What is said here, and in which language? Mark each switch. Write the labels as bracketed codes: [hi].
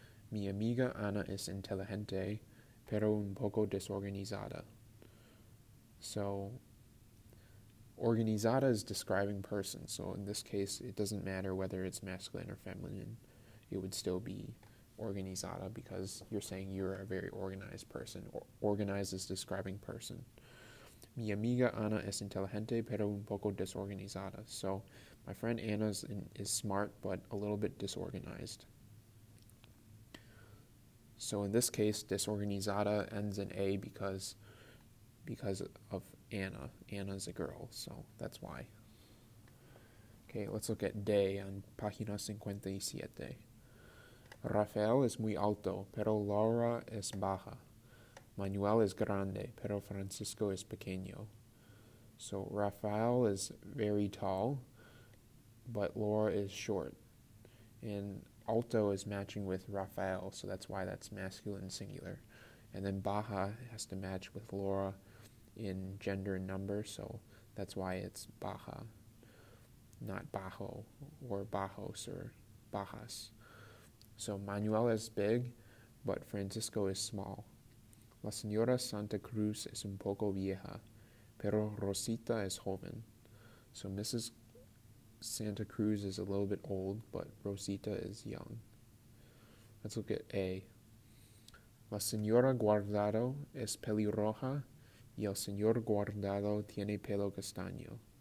[es] Mi amiga Ana es inteligente, pero un poco desorganizada. [en] So, organizada is describing person. So in this case, it doesn't matter whether it's masculine or feminine. It would still be organizada because you're saying you're a very organized person. Organized is describing person. [es] Mi amiga Ana es inteligente, pero un poco desorganizada. [en] So, my friend Ana is smart, but a little bit disorganized. So, in this case, desorganizada ends in A because of Ana. Ana's a girl, so that's why. Okay, let's look at D on página 57. [es] Rafael es muy alto, pero Laura es baja. Manuel is grande, pero Francisco is pequeño. [en] So Rafael is very tall, but Laura is short. And alto is matching with Rafael, so that's why that's masculine singular. And then baja has to match with Laura in gender and number, so that's why it's baja, not bajo, or bajos, or bajas. So Manuel is big, but Francisco is small. [es] La señora Santa Cruz es un poco vieja, pero Rosita es joven. [en] So Mrs. Santa Cruz is a little bit old, but Rosita is young. Let's look at A. [es] La señora Guardado es pelirroja y el señor Guardado tiene pelo castaño.